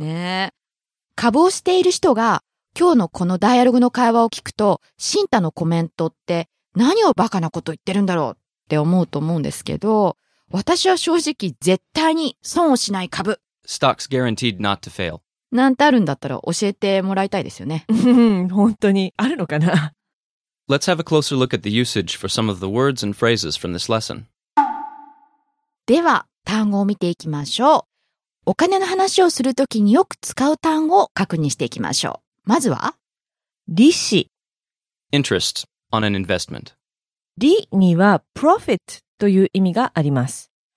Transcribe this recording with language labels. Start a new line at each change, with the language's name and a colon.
Japanese: ね、株をしている人が今日のこのダイアログの会話を聞くと、シンタのコメントって何をバカなこと言ってるんだろうって思うと思うんですけど、私は正直絶対に損をしない株、
English: Stocks guaranteed not to fail
Japanese: なんてあるんだったら教えてもらいたいですよね。本当にあるのかな。
English: Let's have a closer look at the usage for some of the words and phrases from this lesson.
Japanese: では単語を見ていきましょう。お金の話をするときによく使う単語を確認していきましょう。まずは利子、
English: interest on an investment。
Japanese: 利には profit という意味があります。